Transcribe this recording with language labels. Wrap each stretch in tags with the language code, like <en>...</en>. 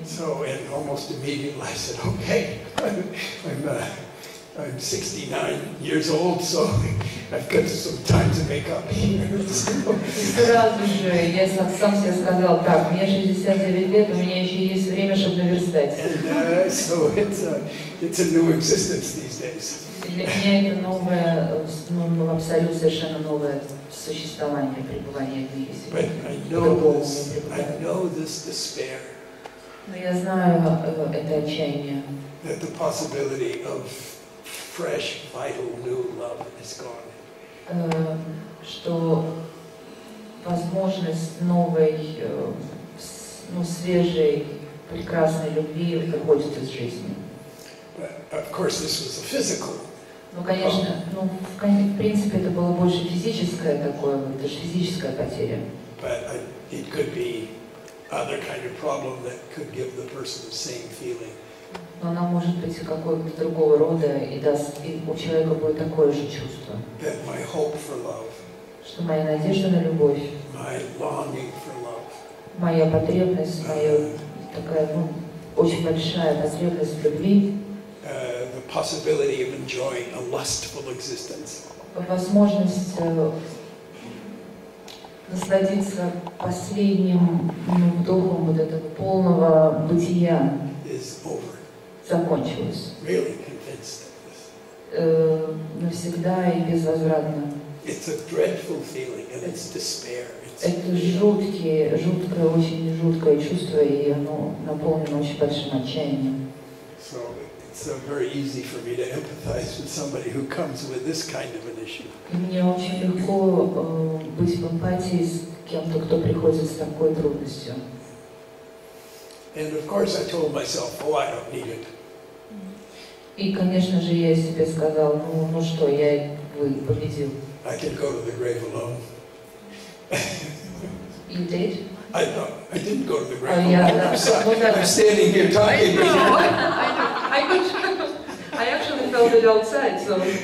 <en>So, and almost immediately I said, okay, I'm 69 years old, so I've got some time to make up here.</en> <ru>Сразу же я сам себе сказал, так, мне 69 лет, у меня еще есть время, чтобы наверстать.</ru> <en>And so it's a new existence these days.</en> <ru>Для меня это новое, ну, абсолютно совершенно новое существование, пребывание в мире.</ru> <en>But I know this despair.</en> <ru>Но я знаю это отчаяние.</ru> <en>That the possibility of fresh, vital, new love is gone.</en> <ru>Что возможность новой, свежей, прекрасной любви выходит из жизни.</ru> <en>Of course, this was a physical.</en> <ru>Ну, конечно, в принципе, это было больше физическое такое, это же физическая потеря.</ru> <en>But it could be other kind of problem that could give the person the same feeling.</en> <ru>Но она может быть и какого-то другого рода, и у человека будет такое же чувство.</ru> <en>That my hope for love,</en> <ru>что моя надежда на любовь,</ru> <en>my longing for love,</en> <ru>моя потребность, моя такая, очень большая потребность в любви,</ru> <en>the possibility of enjoying a lustful existence.</en> <ru>Возможность насладиться последним духом вот этого полного бытия.</ru> <en>Is over.</en> <ru>Закончилось.</ru> <en>Really convinced of this.</en> <ru>Навсегда и безвозвратно.</ru> <en>It's a dreadful feeling, and it's despair.</en> <ru>Это жуткое, очень жуткое чувство, и оно наполнено очень большим отчаянием.</ru> <en>So it's very easy for me to empathize with somebody who comes with this kind of an issue.</en> <ru>Мне очень легко быть в эмпатии с кем-то, кто приходит с такой трудностью.</ru> <en>And of course, I told myself, "Oh, I don't need it."</en> <ru>И конечно же я себе сказал, что я победил.</ru> <en>I can go to the grave alone. You did? I didn't go to the Grand Opera. I'm standing here talking. I know. I actually felt it outside. So.</en>